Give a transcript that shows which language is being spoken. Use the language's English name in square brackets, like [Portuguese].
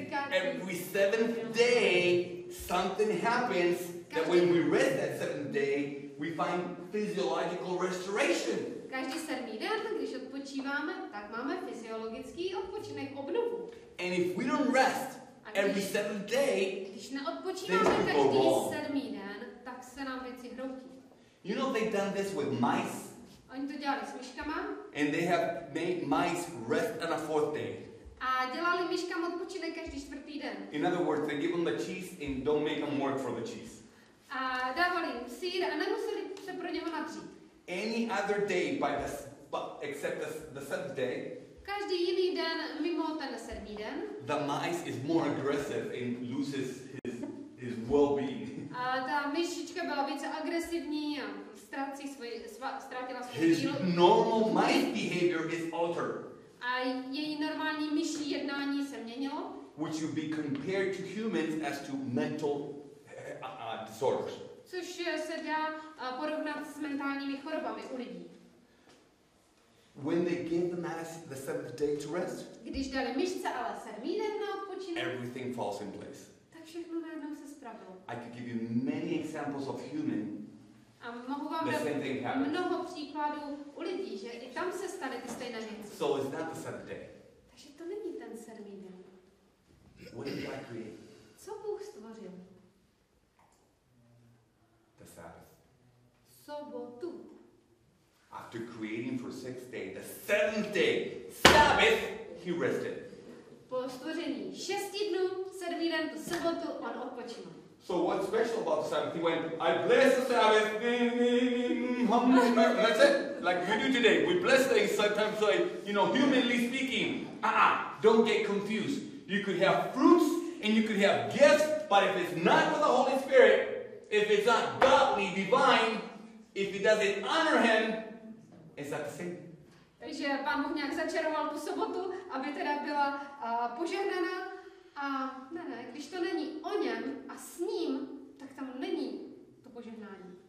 [English] Every seventh day, something happens that when we rest that seventh day, we find physiological restoration. [Czech] Každý sedmý den, když odpočíváme, tak máme fyziologický odpočinek, obnovu. [English] And if we don't rest every seventh day, [Czech] když neodpočíváme každý sedmý den, tak se nám věci hroutí. [English] You know they've done this with mice? [Czech] Oni to dělali s myškama. [English] And they have made mice rest on a fourth day. [Czech] A dělali myškám odpočinek každý čtvrtý den. [English] In other words, they give them the cheese and don't make them work for the cheese. [Czech] A dávali jim sýr a nemuseli se pro něho natřít. [English] Any other day by the except the seventh day. [Czech] Každý jiný den mimo ten sedmý den. [English] The mice is more aggressive and loses his well-being. [Czech] A ta myšička byla více agresivní a ztratila svoji sílu. [English] His normal mice behavior is altered. [Czech] A její normální myší jednání se měnilo. [English] Which would be compared to humans as to mental disorders. [Czech] Což se dá porovnat s mentálními chorobami u lidí. [English] When they give the mice the seventh day to rest, [Czech] když dali myšce ale sedmý den na odpočinek, [English] everything falls in place. [Czech] Tak všechno najednou se spravilo. [English] I could give you many examples of human. [Czech] A mohu vám dát mnoho příkladů u lidí, že i tam se stane ty stejné věci. [English] So is that the seventh day? [Czech] Takže to není ten sedmý den. [English] What did God create? [Czech] Co Bůh stvořil? [English] The Sabbath. [Czech] Sobotu. [English] After creating for 6 days, the seventh day, Sabbath, he rested. [Czech] Po stvoření šesti dnů, sedmý den, tu sobotu, on odpočinul. [English] So what's special about the Sabbath? He went, I bless the Sabbath, that's it. Like we do today, we bless the Sabbath, so you know, humanly speaking, don't get confused. You could have fruits, and you could have gifts, but if it's not with the Holy Spirit, if it's not godly, divine, if it doesn't honor him, is that the same? [Czech] Takže pán Bůh nějak začaroval tu sobotu, aby teda byla požehnaná. A ne, když to není o něm a s ním, tak tam není to požehnání.